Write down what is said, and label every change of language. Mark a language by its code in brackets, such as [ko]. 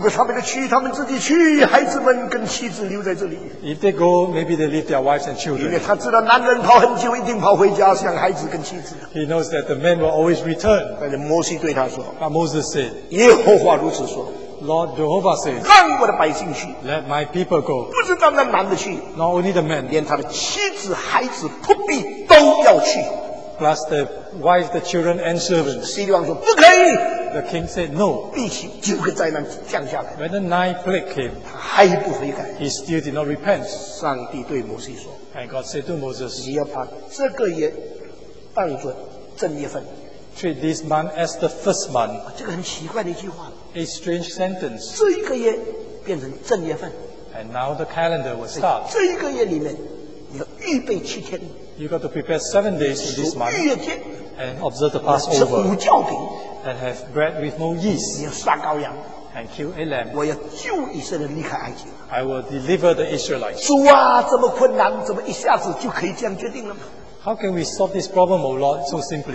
[zh] 如果他们去, 他们自己去, 孩子们跟妻子留在这里, [en] if they go, maybe they leave their wives and children. [zh] 因为他知道男人跑很久, 一定跑回家, 像孩子跟妻子。 [en] He knows that the men will always return. [zh] 但是摩西对他说, [en] but Moses said, [zh] 耶和华如此说, [en] Lord Jehovah says, [zh] 让我的百姓去, [en] let my people go. [zh] 不是单单男的去, [en] not only the men, [zh] 连他的妻子, 孩子, 仆婢都要去, [en] plus the wife, the children, and servants. [zh] 西利王说, 不可以, [en] the king said no. When the ninth plague came, [zh] 他还不悔改, [en] he still did not repent. [zh] 上帝对摩西说, [en] and God said to Moses, [zh] 你要把这个月当作正月份, [en] treat this month as the first month. [zh] 这个很奇怪的一句话, [en] a strange sentence. [zh] 这一个月变成正月份, [en] and now the calendar will start. [zh] 这一个月里面, 你要预备七天, [en] you've got to prepare 7 days in this month. [zh] 月节, [en] and observe the Passover. [zh] 吃五教饼, [en] and have bread with no yeast. [zh] 你要杀羔羊, [en] and kill a lamb. [zh] 我要救以色列离开埃及, [en] I will deliver the Israelites. [zh] 主啊, 这么困难, 怎么一下子就可以这样决定了吗? [en] How can we solve this problem, O Lord, so simply?